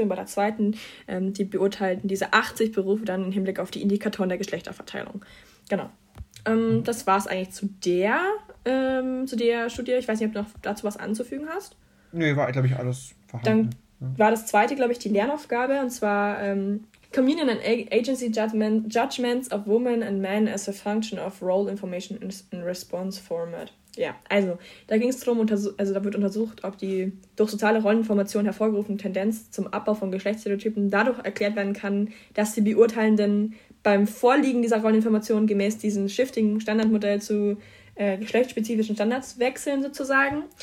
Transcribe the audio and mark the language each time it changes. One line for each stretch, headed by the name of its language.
German: Und bei der zweiten, die beurteilten diese 80 Berufe dann im Hinblick auf die Indikatoren der Geschlechterverteilung. Genau. Das war es eigentlich zu der Studie. Ich weiß nicht, ob du noch dazu was anzufügen hast. Nee, war, glaube ich, alles vorhanden. Dann war das zweite, glaube ich, die Lernaufgabe. Und zwar
English: Communion and Agency Judgments of Women and Men as a Function of Role Information in Response Format.
German: Ja, also, da ging es darum, also da wird untersucht, ob die durch soziale Rolleninformation hervorgerufene Tendenz zum Abbau von Geschlechtsstereotypen dadurch erklärt werden kann, dass die Beurteilenden beim Vorliegen dieser Rolleninformation gemäß diesem shifting Standardmodell zu geschlechtsspezifischen Standards wechseln, sozusagen.